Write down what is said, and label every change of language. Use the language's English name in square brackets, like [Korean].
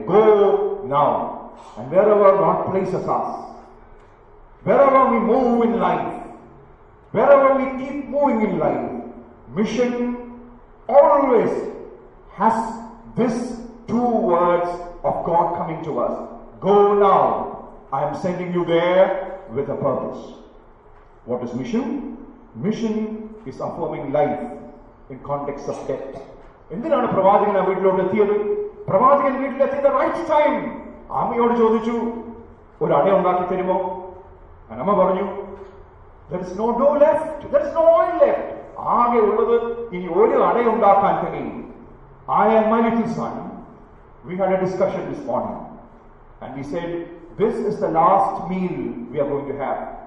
[English] Go now and wherever God places us wherever we move in life wherever we keep moving in life mission always has this two words of God coming to us. Go now. I am sending you there with a purpose. What is mission? Mission is affirming life in context of death. [Malayalam] എന്തിനാണ് പ്രവാചകൻ ആ വീട്ടിലോട്ട് എത്തിയത്? പ്രവാചകൻ വീട്ടിലെത്തിയത് right time. അമ്മയോട് ചോദിച്ചു, ഒരു അട ഉണ്ടാക്കി തരുമോ? അമ്മ പറഞ്ഞു, [English] there is no dough left, there is no oil left. [Malayalam] ആകെ ഉള്ളത് ഇനി ഒരു അട ഉണ്ടാക്കാൻ തന്നെയും. [English] I am my little son. We had a discussion this morning and we said, this is the last meal we are going to have.